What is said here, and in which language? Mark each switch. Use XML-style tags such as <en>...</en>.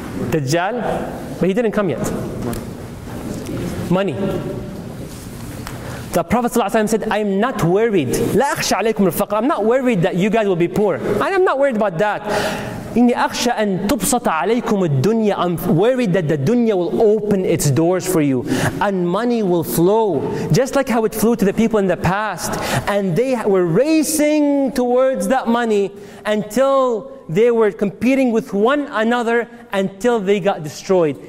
<en>Dajjal. But he didn't come yet. Money. The Prophet ﷺ said, I'm not worried.</en> <ar>لا أخشى عليكم الفقر.</ar> <en>I'm not worried that you guys will be poor. I'm not worried about that.</en> <ar>إني أخشى أن تبسط عليكم الدنيا.</ar> <en>I'm worried that the dunya will open its doors for you. And money will flow. Just like how it flew to the people in the past. And they were racing towards that money until they were competing with one another until they got destroyed.</en>